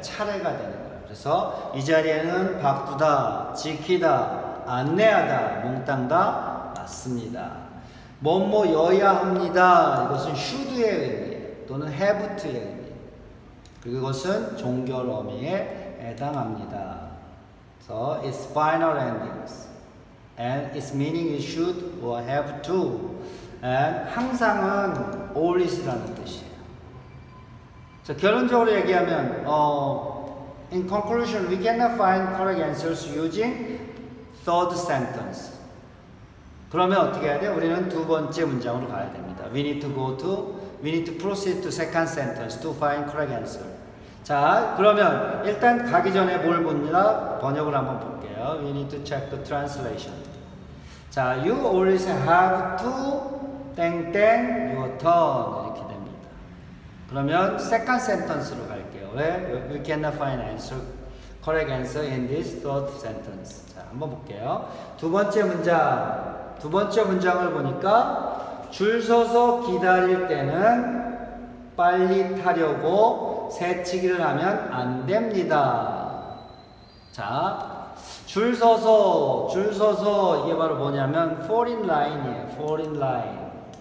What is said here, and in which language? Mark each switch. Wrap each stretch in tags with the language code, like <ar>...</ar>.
<ko>차례가 되는 거예요. 그래서 이 자리에는 바꾸다, 지키다, 안내하다, 몽땅 다 맞습니다. 뭐뭐여야 합니다. 이것은 should의 의미예요. 또는 have to의 의미. 그리고 이것은 종결 어미에 해당합니다.</ko> <en>So it's final endings, and its meaning is should or have to, and</en> <ko>항상은 always라는 뜻이에요. 자, 결론적으로 얘기하면,</ko> <en>in conclusion, we cannot find correct answers using third sentence.</en> <ko>그러면 어떻게 해야 돼? 우리는 두 번째 문장으로 가야 됩니다.</ko> <en>We need to proceed to second sentence to find correct answer.</en> <ko>자, 그러면 일단 가기 전에 뭘 묻나 번역을 한번 볼게요.</ko> <en>We need to check the translation. 자, you always have to 땡땡 your turn</en> <ko>이렇게 됩니다. 그러면 second sentence로 갈게요. 왜?</ko> <en>We cannot find answer, correct answer in this third sentence.</en> <ko>자, 한번 볼게요. 두 번째 문장. 두 번째 문장을 보니까 줄 서서 기다릴 때는 빨리 타려고 새치기를 하면 안 됩니다. 자, 줄 서서 이게 바로 뭐냐면 falling line이에요. falling line.</ko>